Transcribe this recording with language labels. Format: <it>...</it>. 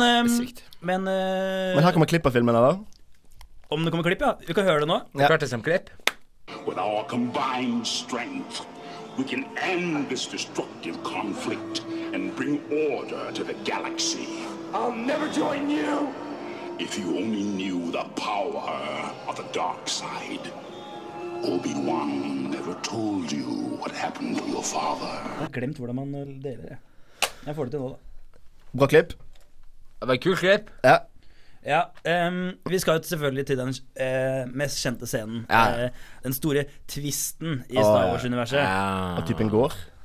<no>men her kommer klipp av filmen da Om det kommer klipp, ja Vi kan høre det nå Vi klarte det som klipp</no> <en>With our combined strength We can end this destructive conflict And bring order to the galaxy I'll never join you If you only knew the power of the dark side, Obi-Wan never told you what happened to your father.</en> <no>Jeg har glemt hvordan man deler det. Jeg får det til nå da. Bra klipp. Det var en kul klipp. Ja. Ja, vi skal selvfølgelig til den mest kjente scenen. Ja. Den store tvisten I Star Wars-universet. Ja. Av typen går.</no>